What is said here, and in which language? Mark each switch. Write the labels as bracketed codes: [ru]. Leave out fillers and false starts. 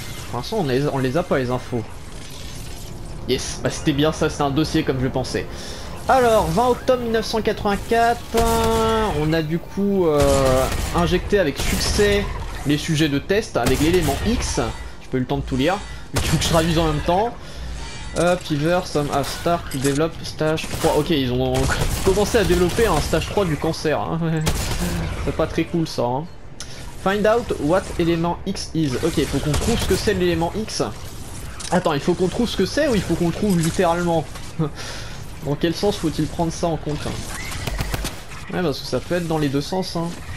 [fr] Pour l'instant, on les a pas les infos. Yes, bah, c'était bien ça, c'est un dossier comme je le pensais. Alors, 20 octobre 1984, on a du coup injecté avec succès les sujets de test avec l'élément X. J'ai pas eu le temps de tout lire, mais il faut que je traduise en même temps. [en] Piver, some have start to develop stage 3. [fr] Ok, ils ont commencé à développer un stage 3 du cancer. Hein. C'est pas très cool ça. Hein. [en] Find out what element X is. [fr] Ok, il faut qu'on trouve ce que c'est l'élément X. Attends, il faut qu'on trouve ce que c'est ou il faut qu'on trouve littéralement? Dans quel sens faut-il prendre ça en compte hein? Ouais, parce que ça peut être dans les deux sens. Hein.